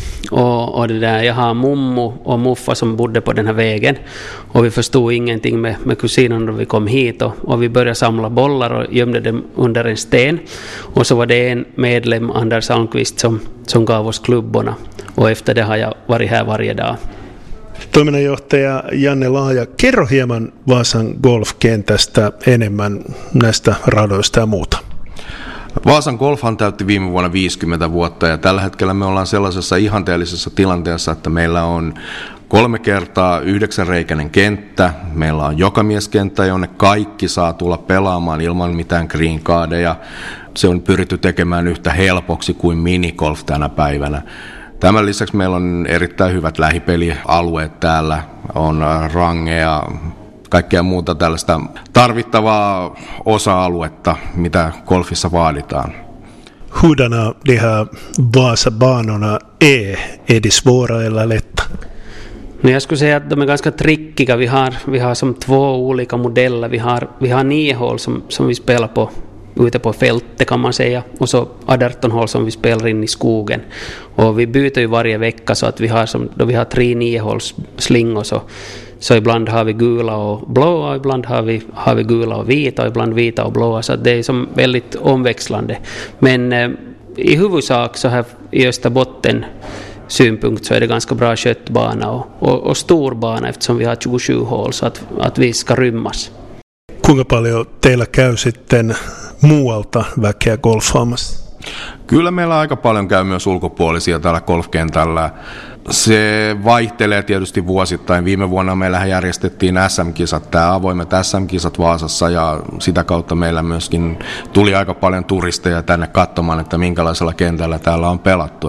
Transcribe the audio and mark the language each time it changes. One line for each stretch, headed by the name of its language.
Swedish: Och det där, jag har mummo och muffa som bodde på den här vägen. Och vi förstod ingenting med kusinen när vi kom hit. Och vi började samla bollar och gömde dem under en sten. Och så var det en medlem, Anders Almqvist, som gav oss klubborna. Och efter det har jag varit här varje dag.
Finnish: Toiminnanjohtaja Janne Laaja, kerro hieman Vaasan golfkentästä enemmän näistä radoista ja muuta. Vaasan golfhan täytti viime vuonna 50 vuotta ja tällä hetkellä me ollaan sellaisessa ihanteellisessa tilanteessa, että meillä on 3x9-reikäinen kenttä. Meillä on jokamieskenttä, jonne kaikki saa tulla pelaamaan ilman mitään green cardeja. Se on pyritty tekemään yhtä helpoksi kuin minigolf tänä päivänä. Tämän lisäksi meillä on erittäin hyvät lähipelialueet täällä, on rangeja, kaikkea muuta tällaista tarvittavaa osa-aluetta, mitä golfissa vaaditaan.
Swedish: Hurdana de här Vaasa-banorna är det svåra eller lätta? No, jag skulle säga att de är ganska trickiga. Vi har som två olika modeller. Vi har 9 hål som vi spelar på. Ute på fältet kan man säga. Och så 18 hål som vi spelar in i skogen. Och vi byter ju varje vecka så att vi har 3 9-hålsslingor så ibland har vi gula och blåa, ibland har vi gula och vita, och ibland vita och blåa. Så det är som väldigt omväxlande. Men i huvudsak så här i Österbotten synpunkt så är det ganska bra köttbana och stor bana eftersom vi har 27 hål så att vi ska rymmas.
Finnish: Kuinka paljon teillä käy sitten muualta väkeä golfaamassa? Kyllä meillä aika paljon käy myös ulkopuolisia täällä golfkentällä. Se vaihtelee tietysti vuosittain. Viime vuonna meillähän järjestettiin SM-kisat, tämä avoimet SM-kisat Vaasassa, ja sitä kautta meillä myöskin tuli aika paljon turisteja tänne katsomaan, että minkälaisella kentällä täällä on pelattu.